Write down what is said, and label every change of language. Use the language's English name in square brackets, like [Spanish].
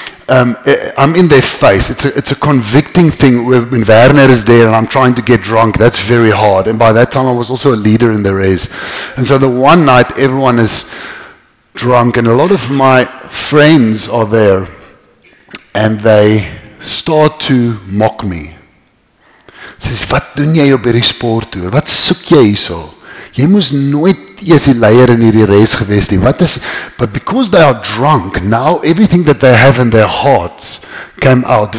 [English] I'm in their face. It's a convicting thing when Werner is there and I'm trying to get drunk. That's very hard. And by that time, I was also a leader in the race. And so the one night, everyone is drunk and a lot of my friends are there and they start to mock me. Says, [Afrikaans] "Wat doen jy op hierdie sport toer? Wat soek jy hierso? Jy moes nooit eers die leier in hierdie res gewees nie. Wat is..." [English] But because they are drunk, now everything that they have in their hearts came out.